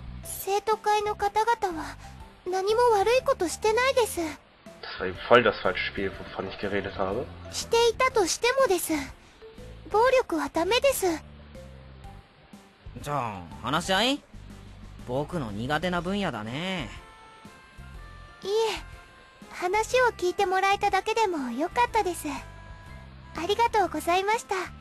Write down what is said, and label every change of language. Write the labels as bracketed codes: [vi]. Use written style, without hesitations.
[ja] 生徒会の方々は何も悪いことしてないです。 [de] Das war eben voll das falsche Spiel, wovon ich geredet habe. [ja] していたとしてもです。暴力はダメです。じゃあ、話し合い?僕の苦手な分野だね。いえ、話を聞いてもらえただけでもよかったです。ありがとうございました。